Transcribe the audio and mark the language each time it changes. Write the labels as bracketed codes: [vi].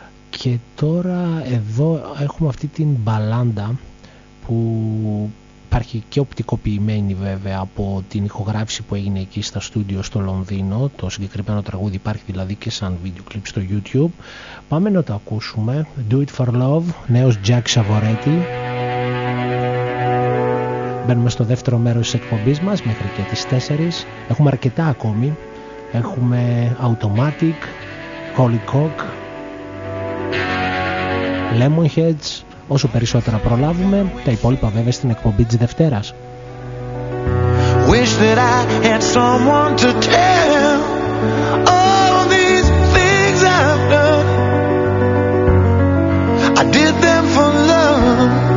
[el] Και τώρα εδώ έχουμε αυτή την μπαλάντα που υπάρχει και οπτικοποιημένη βέβαια από την ηχογράφηση που έγινε εκεί στα στούντιο στο Λονδίνο. Το συγκεκριμένο τραγούδι υπάρχει δηλαδή και σαν βίντεο κλιπ στο YouTube. Πάμε να το ακούσουμε. Do It For Love, νέος Jack Savoretti. Μπαίνουμε στο δεύτερο μέρος της εκπομπής μας μέχρι και τις 4. Έχουμε αρκετά ακόμη. Έχουμε Automatic, Holy Cock, Lemonheads, όσο περισσότερα προλάβουμε, τα υπόλοιπα βέβαια στην εκπομπή της Δευτέρας. [en] Wish that I had someone to tell all these things I've done. I did them for love.